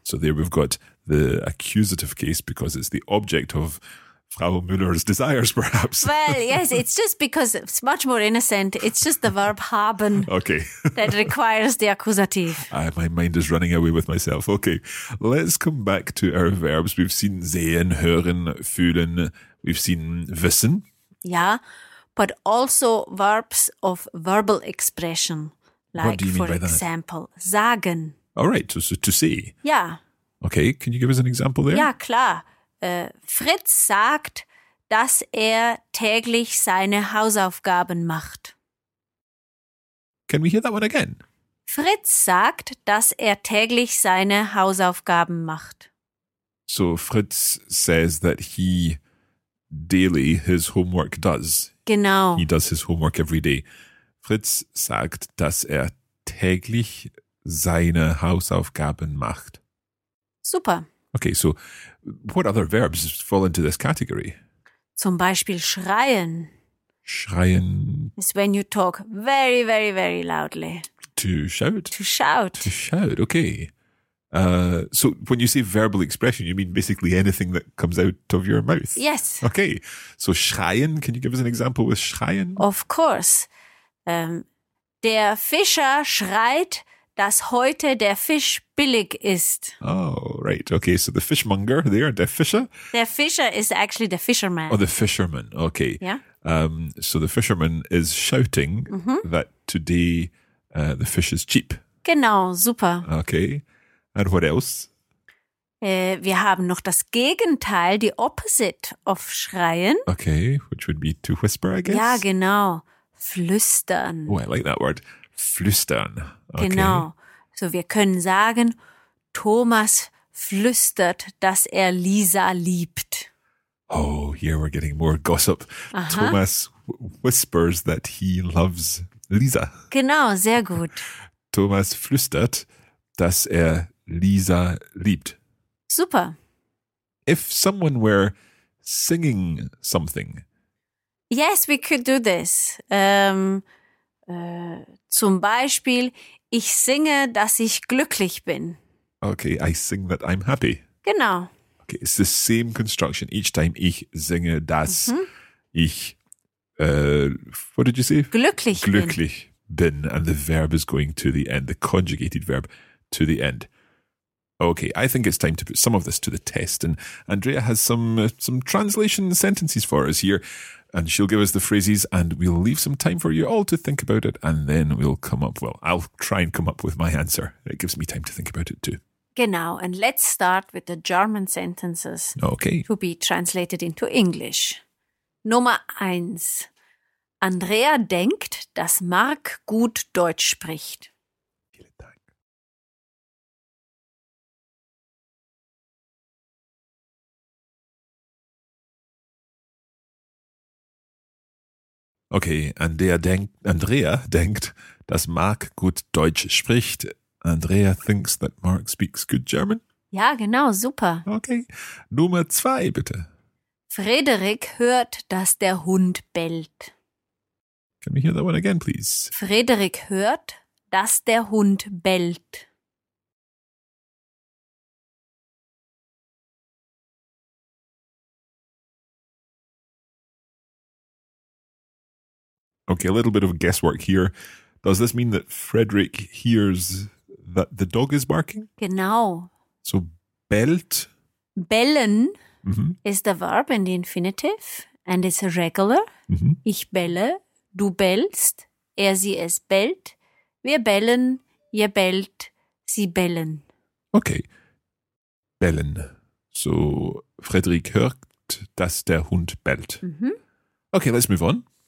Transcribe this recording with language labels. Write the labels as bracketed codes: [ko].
[en] So there we've got the accusative case because it's the object of Frau Müller's desires, perhaps. Well, yes, it's just because it's much more innocent. It's just the verb haben. Okay. That requires the accusative. My mind is running away with myself. Okay. Let's come back to our verbs. We've seen sehen, hören, fühlen. We've seen wissen. Yeah, but also verbs of verbal expression. Like, for example, that? [de] Sagen. [en] All right, so to say. Yeah. Okay, can you give us an example there? [de] Ja, klar. Fritz sagt, dass täglich seine Hausaufgaben macht. [en] Can we hear that one again? [de] Fritz sagt, dass täglich seine Hausaufgaben macht. [en] So Fritz says that he daily his homework does. [de] Genau. [en] He does his homework every day. [de] Fritz sagt, dass täglich seine Hausaufgaben macht. Super. [en] Okay, so what other verbs fall into this category? [de] Zum Beispiel schreien. Schreien. [en] It's when you talk very, very, very loudly. To shout. To shout. To shout, okay. So when you say verbal expression, you mean basically anything that comes out of your mouth? Yes. Okay, so schreien, can you give us an example with schreien? Of course. [de] Der Fischer schreit, dass heute der Fisch billig ist. [en] Oh, right. Okay, so the fishmonger there, der Fischer. Der Fischer is actually the fisherman. Oh, the fisherman. Okay. Yeah. So the fisherman is shouting mm-hmm. that today the fish is cheap. [de] Genau, super. [en] Okay. And what else? [de] Wir haben noch das Gegenteil, [en] the opposite of [de] schreien. [en] Okay, which would be to whisper, I guess. [de] Ja, genau. Flüstern. [en] Oh, I like that word. Flüstern. Okay. [de] Genau. So wir können sagen, Thomas flüstert, dass Lisa liebt. [en] Oh, here we're getting more gossip. Aha. Thomas whispers that he loves Lisa. [de] Genau, sehr gut. Thomas flüstert, dass Lisa liebt. Super. [en] If someone were singing something. Yes, we could do this. [de] Zum Beispiel, ich singe, dass ich glücklich bin. [en] Okay, I sing that I'm happy. [de] Genau. [en] Okay, it's the same construction each time. [de] Ich singe, dass ich, [en] what did you say? [de] Glücklich bin. [en] And the verb is going to the end, the conjugated verb to the end. Okay, I think it's time to put some of this to the test. And Andrea has some translation sentences for us here. And she'll give us the phrases and we'll leave some time for you all to think about it. And then we'll come up, well, I'll try and come up with my answer. It gives me time to think about it too. Genau, and let's start with the German sentences. Okay. To be translated into English. [de] Nummer eins. Andrea denkt, dass Mark gut Deutsch spricht. Okay, Andrea denkt, dass Mark gut Deutsch spricht. [en] Andrea thinks that Mark speaks good German? [de] Ja, genau, super. Okay, Nummer zwei, bitte. Frederik hört, dass der Hund bellt. [en] Can we hear that one again, please? [de] Frederik hört, dass der Hund bellt. [en] Okay, a little bit of guesswork here. Does this mean that Frederick hears that the dog is barking? [de] Genau. So bellt. [en] Bellen is the verb in the infinitive and it's a regular. Mm-hmm. [de] Ich belle, du bellst, er, sie, es bellt, wir bellen, ihr bellt, sie bellen. Okay, bellen. So Frederick hört, dass der Hund bellt. Mm-hmm. [en] Okay, let's move on.